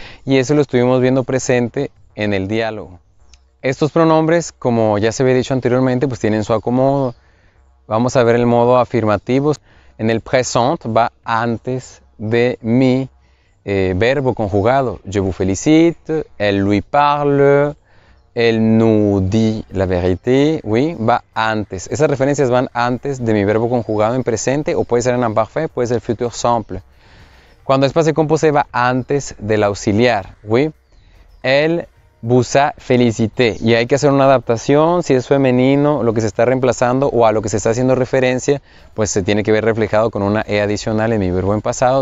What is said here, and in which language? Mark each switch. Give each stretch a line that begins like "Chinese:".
Spanish: Y eso lo estuvimos viendo presente en el diálogo. Estos pronombres, como ya se había dicho anteriormente, pues tienen su acomodo. Vamos a ver el modo afirmativo. En el present va antes de mi verbo conjugado.
French: Je vous félicite. Elle lui parle. Elle nous dit la vérité, oui,
Spanish: va antes. Esas referencias van antes de mi verbo conjugado en presente o puede ser en imparfait, puede ser futur simple. Cuando es passé composé va antes del auxiliar, oui.
French: Elle vous a félicité.
Spanish: Y hay que hacer una adaptación, si es femenino, lo que se está reemplazando o a lo que se está haciendo referencia, pues se tiene que ver reflejado con una e adicional en mi verbo en pasado.